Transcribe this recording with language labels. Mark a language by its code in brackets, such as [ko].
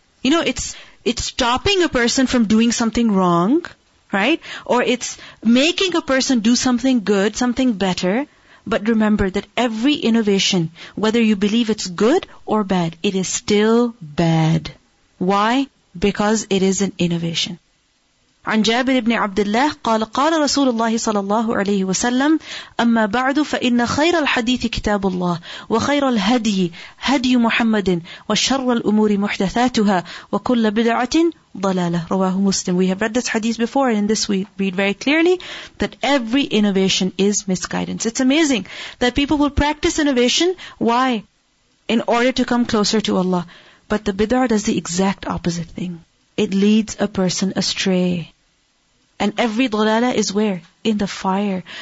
[en] You know, it's stopping a person from doing something wrong, right? Or it's making a person do something good, something better. But remember that every innovation, whether you believe it's good or bad, it is still bad. Why? Because it is an innovation. [ar] عن جابر بن عبد الله قال قال رسول الله صلى الله عليه وسلم أما بعد فإن خير الحديث كتاب الله وخير الهدي هدي محمد وشر الأمور محدثاتها وكل بدعة ضلالة رواه مسلم. [en] We have read this hadith before, and in this we read very clearly that every innovation is misguidance. It's amazing that people will practice innovation. Why? In order to come closer to Allah. But the bid'ah does the exact opposite thing. It leads a person astray. And every dhalala is where? In the fire.